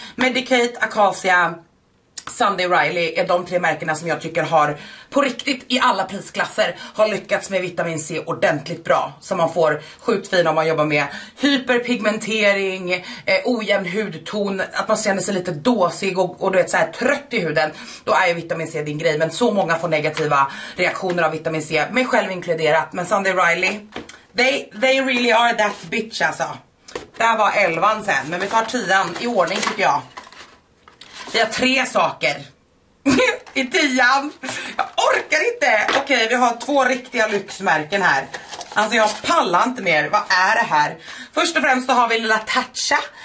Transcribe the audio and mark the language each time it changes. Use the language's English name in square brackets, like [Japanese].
[Swedish] Medicate, Acacia, Sunday Riley är de tre märkena som jag tycker har på riktigt i alla prisklasser har lyckats med vitamin C ordentligt bra. Så man får sjukt fin om man jobbar med hyperpigmentering, ojämn hudton, att man känner sig lite dåsig och du vet, så här, trött i huden. Då är ju vitamin C din grej, men så många får negativa reaktioner av vitamin C, mig själv inkluderat. Men [English] Sunday Riley, they really are that bitch [Swedish] alltså. Det här var 11:an sen, men vi tar 10:an i ordning tycker jag. Vi har 3 saker i 10:an. Jag orkar inte. Okej, vi har 2 riktiga lyxmärken här. Alltså jag pallar inte mer. Vad är det här? Först och främst så har vi lilla Tatcha.